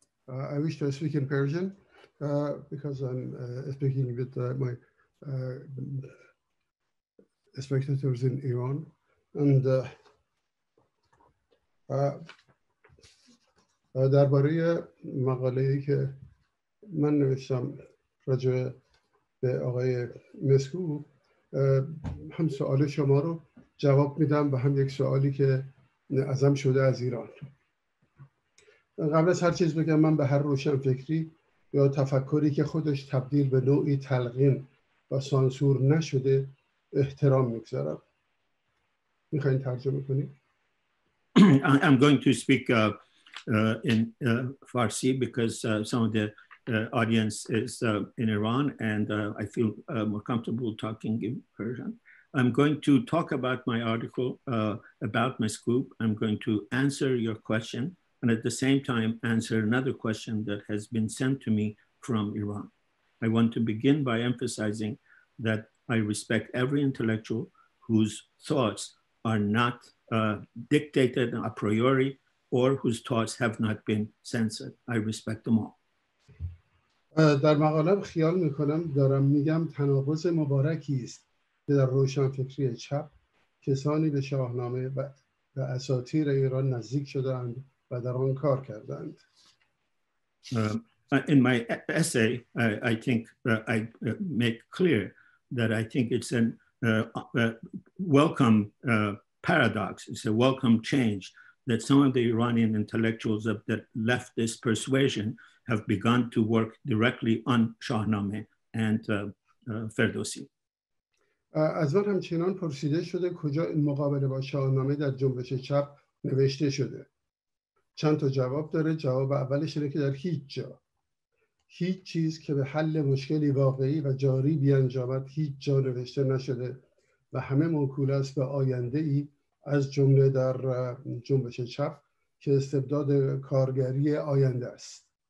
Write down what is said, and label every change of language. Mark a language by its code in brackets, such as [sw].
[en] I wish to speak in Persian because I'm speaking with my spectators in Iran. [fa] And درباره مقاله‌ای که من نوشتم راجع به آقای مسکوب هم سوال شما رو جواب میدم و هم یک سوالی که ازم شده از ایران. قبل از هر چیز بگم من به هر روشن فکری یا تفکری که خودش تبدیل به نوعی تلقین و سانسور نشده احترام میگذارم. میخواین ترجمه کنید؟ [en] I'm going to speak in Farsi because some of the audience is in Iran and I feel more comfortable talking in Persian. I'm going to talk about my article about Meskoob. I'm going to answer your question and at the same time answer another question that has been sent to me from Iran. I want to begin by emphasizing that I respect every intellectual whose thoughts are not dictated a priori or whose thoughts have not been censored. I respect them all. [fa] در مقاله خیال میکنم دارم میگم تناقض مبارکی است که در روشن فکری چپ کسانی به شاهنامه و به اساطیر ایران نزدیک شده اند و در آن کار کردند. [en] In my essay, I think I make clear that I think it's an welcome paradox. It's a welcome change that some of the Iranian intellectuals of the leftist persuasion have begun to work directly on Shahnameh and Ferdowsi. [fa] از من هم چنان پرسیده شده کجا این مقابله با شاهنامه در جنبش چپ نوشته شده. چند تا جواب داره. جواب اولش اینه که در هیچ جا. هیچ چیز که به حل مشکلی واقعی و جاری بیانجامد هیچ جا نوشته نشده و همه موکول است به آینده ای از جمله در جنبش چپ که استبداد کارگری آینده است.